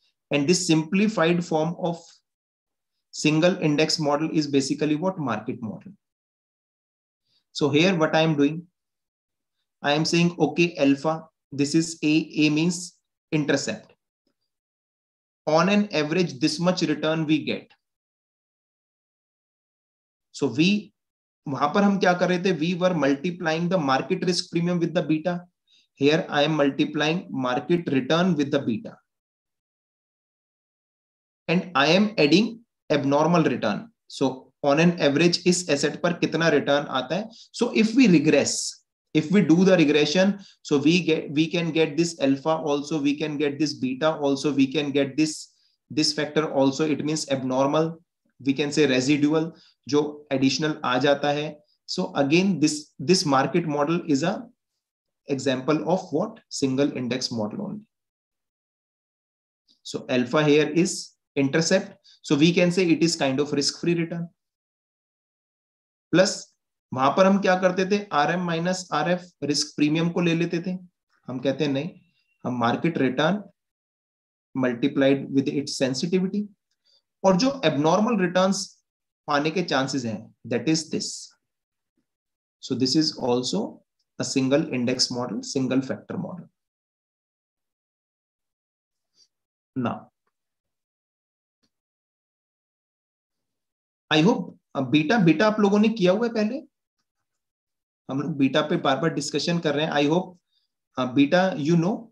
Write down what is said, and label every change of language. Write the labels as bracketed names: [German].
[English] And this simplified form of single index model is basically what? Market model. So here what I am doing, I am saying, okay, alpha, this is A means intercept. On an average, this much return we get. So we, [Hindi] वहाँ पर हम क्या कर रहे थे? [English] We were multiplying the market risk premium with the beta. Here I am multiplying market return with the beta. And I am adding abnormal return. So on an average is asset [Hindi] per kitna return aata hai. [English] So if we regress, if we do the regression, so we can get this alpha also, we can get this beta also, we can get this factor also. It means abnormal, we can say residual [Hindi] jo additional aa jata hai. [English] So again, this market model is a example of what? Single index model only. So alpha here is intercept. So we can say it is kind of risk-free return. Plus, [Hindi] वहाँ पर हम क्या करते थे? RM minus RF risk premium को ले लेते थे. हम कहते हैं नहीं, हम [English] market return multiplied with its sensitivity. [Hindi] और जो [English] abnormal returns [Hindi] पाने के chances हैं, [English] that is this. So this is also a single index model, single factor model. Now, I hope [Hindi] beta आप लोगों ने किया हुआ है पहले. हम लोग बीटा पे बार बार डिस्कशन कर रहे हैं. [English] I hope बीटा you know.